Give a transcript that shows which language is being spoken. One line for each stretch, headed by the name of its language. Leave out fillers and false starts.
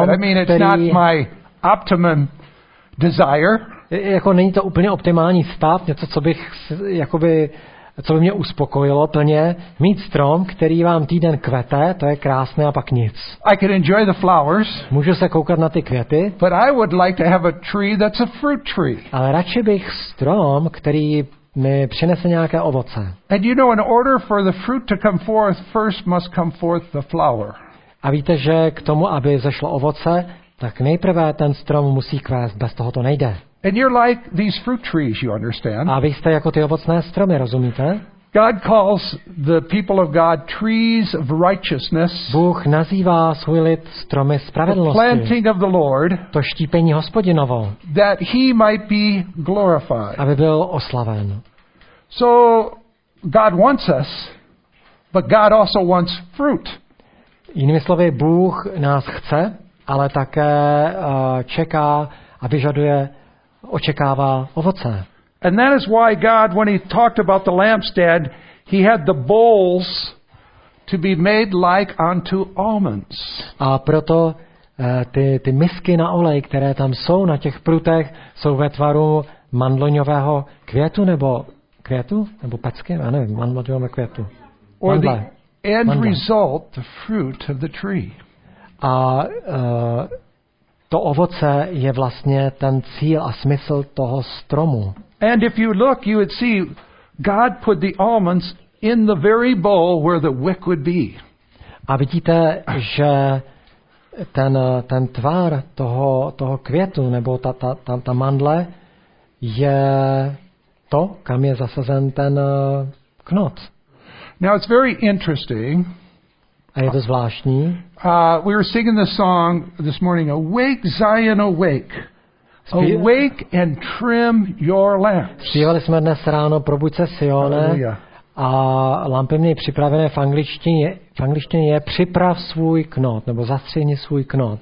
English: but I mean, it's not my optimum desire.
Czech: Jako není to úplně optimální stav, něco, co bych jakoby, co by mě uspokojilo plně, mít strom, který vám týden kvete, to je krásné a pak nic.
English: I can enjoy the flowers.
Czech: Můžu se koukat na ty květy.
English: But I would like to have a tree that's a fruit tree.
Czech: Ale radši bych strom, který mi přinese nějaké ovoce.
English: And you know, in order for the fruit to come forth, first must come forth the flower.
Czech: A víte, že k tomu, aby zešlo ovoce, tak nejprve ten strom musí kvést, bez toho to nejde.
English: And you're like these fruit trees, you understand?
Czech: A vy jste jako ty ovocné stromy, rozumíte?
English: God calls the people of God trees of righteousness.
Czech: Bůh nazývá svůj lid stromy spravedlnosti.
English: The planting of the Lord.
Czech: To štípení Hospodinovo.
English: That he might be glorified.
Czech: Aby byl oslaven.
English: So God wants us, but God also wants fruit.
Czech: Jinými slovy, Bůh nás chce, ale také čeká a vyžaduje, očekává ovoce.
English: And that is why God, when he talked about the lampstand, he had the bowls to be made like unto almonds.
Czech: A proto ty misky na olej, které tam jsou na těch prutech, jsou ve tvaru mandloňového květu nebo pecky, já nevím, mandloňového květu.
English: Or the end result, the fruit of the tree.
Czech: A to ovoce je vlastně ten cíl a smysl toho stromu.
English: And if you look, you would see God put the almonds in the very bowl where the wick would be.
Czech: A vidíte, že ten tvar toho květu nebo ta mandle je to, kam je zasazen ten knot.
English: Now it's very interesting.
Czech: A je to zvláštní.
English: We were singing the song this morning, Awake Zion, awake. Awake and trim your lamps.
Czech: Zpívali jsme dnes ráno, probuď se Sione. A lampy mě připravené v angličtině je připrav svůj knot, nebo zastřihni svůj knot.